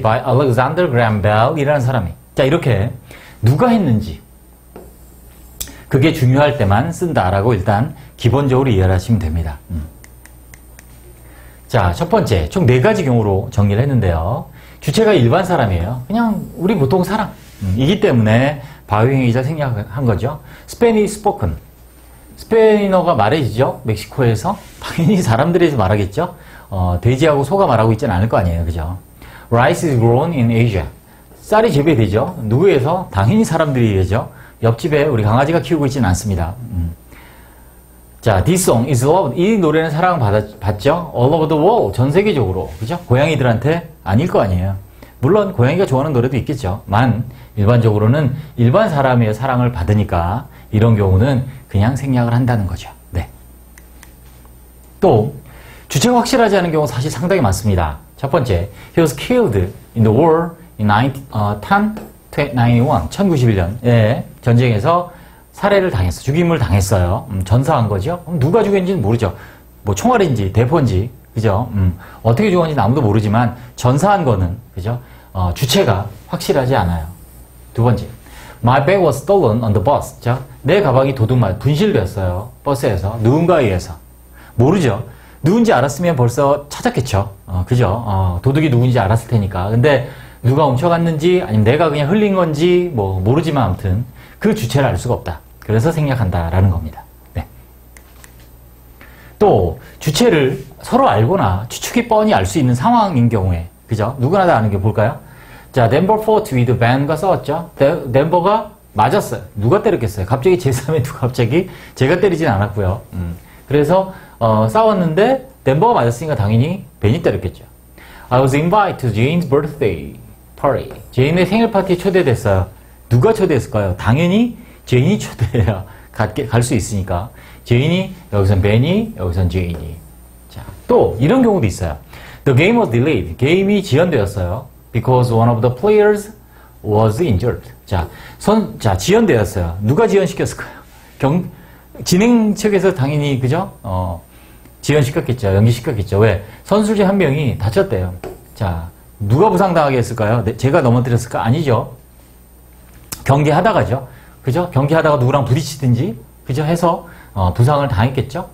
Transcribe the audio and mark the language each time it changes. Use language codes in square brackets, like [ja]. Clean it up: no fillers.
[en] By Alexander Graham Bell [ko] 이라는 사람이. 자, 이렇게 누가 했는지 그게 중요할 때만 쓴다라고 일단 기본적으로 이해를 하시면 됩니다. 자, 첫 번째, 총 네 가지 경우로 정리를 했는데요. 주체가 일반 사람이에요. 그냥 우리 보통 사람. 이기 때문에 바이 행위자 생략한 거죠. [en] Spanish spoken. [ko] 스페인어가 말해지죠? 멕시코에서? 당연히 사람들에서 말하겠죠? 돼지하고 소가 말하고 있진 않을 거 아니에요. 그죠? [en] Rice is grown in Asia. [ko] 쌀이 재배되죠? 누구에서? 당연히 사람들이 되죠? 옆집에 우리 강아지가 키우고 있진 않습니다. 자, [en] this song is loved. [ko] 이 노래는 사랑받았죠? [en] All over the world. [ko] 전 세계적으로. 그죠? 고양이들한테? 아닐 거 아니에요. 물론, 고양이가 좋아하는 노래도 있겠죠. 만, 일반적으로는 일반 사람의 사랑을 받으니까 이런 경우는 그냥 생략을 한다는 거죠. 네. 또 주체가 확실하지 않은 경우 사실 상당히 많습니다. 첫 번째, [en] he was killed in the war in 1091, [ko] 1091년에 전쟁에서 살해를 당했어. 죽임을 당했어요. 전사한 거죠. 그럼 누가 죽였는지는 모르죠. 뭐 총알인지 대포인지, 그죠? 어떻게 죽었는지 아무도 모르지만 전사한 거는, 그죠? 주체가 확실하지 않아요. 두 번째, [en] my bag was stolen on the bus. [ko] 자, 내 가방이 도둑말 분실됐어요. 버스에서 누군가에 의해서. 모르죠. 누군지 알았으면 벌써 찾았겠죠. 그죠? 도둑이 누군지 알았을 테니까. 근데 누가 훔쳐갔는지 아니면 내가 그냥 흘린 건지 뭐 모르지만 아무튼 그 주체를 알 수가 없다. 그래서 생략한다라는 겁니다. 네. 또 주체를 서로 알거나 추측이 뻔히 알 수 있는 상황인 경우에, 그죠? 누구나 다 아는 게 볼까요? [en] 자, Denver fought with Ben과 [ko] 싸웠죠. Denver가 맞았어요. 누가 때렸겠어요? 갑자기 제3의 누가 갑자기? 제가 때리진 않았고요. 그래서 싸웠는데 Denver가 맞았으니까 당연히 Ben이 때렸겠죠. [en] I was invited to Jane's birthday party. [ko] Jane의 생일 파티에 초대됐어요. 누가 초대했을까요? 당연히 Jane이 초대해요. 갈 수 있으니까. Jane이, 여기선 Ben이, 여기선 Jane이. 자, 또 이런 경우도 있어요. [en] The game was delayed. [ko] 게임이 지연되었어요. [en] Because one of the players was injured. [ko] 자, 지연되었어요. 누가 지연시켰을까요? 진행 측에서 당연히, 그죠? 지연시켰겠죠. 연기시켰겠죠. 왜? 선수 중 한 명이 다쳤대요. 자, 누가 부상당하게 했을까요? 제가 넘어뜨렸을까? 아니죠. 경기하다가죠. 그죠? 경기하다가 누구랑 부딪히든지, 그죠? 해서, 부상을 당했겠죠.